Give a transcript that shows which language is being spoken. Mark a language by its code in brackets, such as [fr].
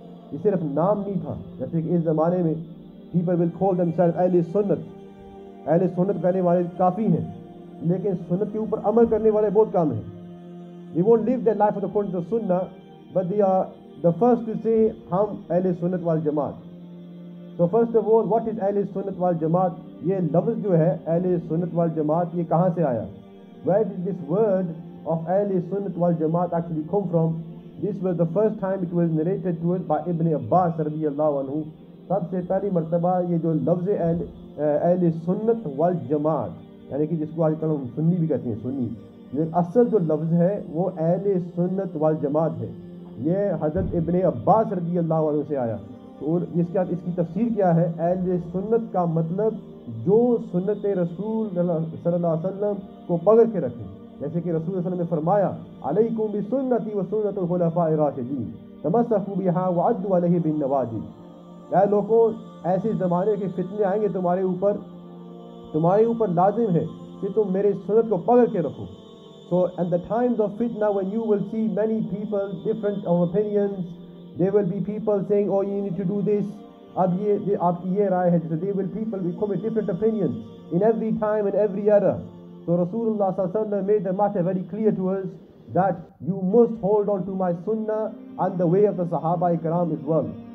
[ur] یہ صرف نام نہیں تھا جیسے کہ اس زمانے میں [en] people will call themselves [ur] اہل سنت کہنے والے کافی ہیں لیکن سنت کے اوپر عمل کرنے والے بہت کم ہیں. [en] They won't live their life according to the sunnah, but they are the first to say [ur] ہم اہل سنت وال جماعت. [en] So first of all, what is [ur] اہل سنت وال جماعت؟ یہ لفظ جو ہے اہل سنت وال جماعت یہ کہاں سے آیا؟ [en] Where did this word of اہل سنت وال جماعت actually come from? This was the first time it was narrated to us by Ibn Abbas رضی اللہ عنہ. [ur] سب سے پہلی مرتبہ یہ جو لفظ اہل سنت والجماعت، یعنی کہ جس کو آج کل ہم سنی بھی کہتے ہیں سنی، اصل جو لفظ ہے وہ اہل سنت والجماعت ہے، یہ حضرت ابن عباس رضی اللہ عنہ سے آیا. اور اس کی تفسیر کیا ہے؟ اہل سنت کا مطلب جو سنت رسول صلی اللہ علیہ وسلم کو پکڑ کے رکھے، جیسے کہ رسول صلی اللہ علیہ وسلم نے فرمایا: [ar] علیکم بسنتی وسنت الخلفاء الراشدین تمسکوا بها وعدوا علیہ بالنواجذ. [ur] اے لوگوں، ایسے زمانے کے فتنے آئیں گے تمہارے اوپر لازم ہے کہ تم میرے سنت کو پکڑ کے رکھو. [en] So in the times of fitna, when you will see many people different of opinions, there will be people saying, oh, you need to do this. [ur] اب یہ آپ کی یہ رائے ہے. [en] So there will people become with different opinions in every time and every era. So Rasulullah sallallahu alaihi wasallam made the matter very clear to us that you must hold on to my sunnah and the way of the sahaba ikram as well.